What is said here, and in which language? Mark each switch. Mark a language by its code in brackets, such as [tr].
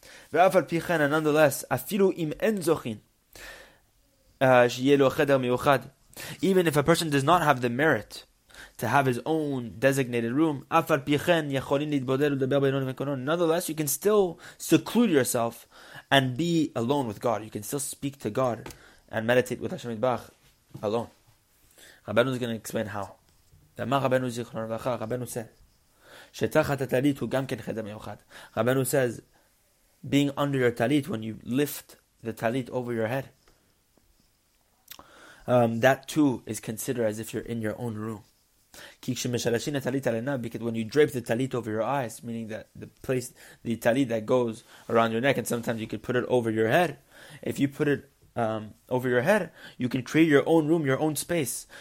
[en] And nonetheless, even if a person does not have the merit to have his own designated room, nonetheless, you can still seclude yourself and be alone with God. You can still speak to God and meditate with Hashem Yitbarach alone. Rabbeinu is going to explain how. [he] אמר רבנו זיכרונו לברכה, רבנו [en] says, [he] שתחת הטלית הוא גם כן חדר מיוחד. [en] רבנו says, being under your tallit, when you lift the tallit over your head, that too is considered as if you're in your own room. [he] כי כשמשלשין הטלית על עיניו, [en] because when you drape the tallit over your eyes, meaning that the place, the tallit that goes around your neck, and sometimes you can put it over your head, if you put it over your head, you can create your own room, your own space.